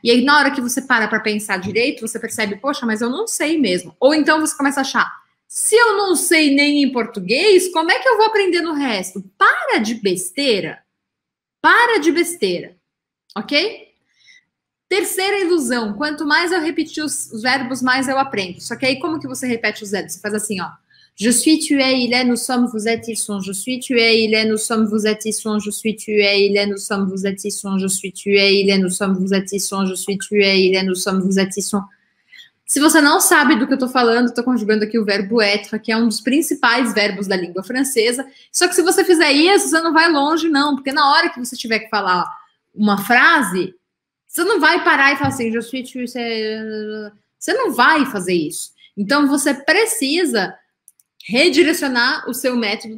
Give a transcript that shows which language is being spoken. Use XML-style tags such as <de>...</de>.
<pt>E aí, na hora que você para pensar direito, você percebe: poxa, mas eu não sei mesmo. Ou então você começa a achar: se eu não sei nem em português, como é que eu vou aprender no resto? Para de besteira. Para de besteira. Ok? Terceira ilusão: quanto mais eu repetir os verbos, mais eu aprendo. Só que aí, como que você repete os verbos? Você faz assim, ó:</pt> <fr>je suis, tu es, il est, nous sommes, vous êtes, ils sont. Je suis, tu es, il est, nous sommes, vous êtes, ils sont. Je suis, tu es, il est, nous sommes, vous êtes, ils sont. Je suis, tu es, il est, nous sommes, vous êtes, ils sont. Je suis, tu es, il est, nous sommes, vous êtes, ils sont.</fr> <pt>Se você não sabe do que eu estou falando, estou conjugando aqui o verbo être, que é um dos principais verbos da língua francesa. Só que se você fizer isso, você não vai longe, não, porque na hora que você tiver que falar uma frase, você não vai parar e falar assim:</pt> <fr>je suis, tu es.</fr> <pt>Você não vai fazer isso. Então você precisa redirecionar o seu método.</pt>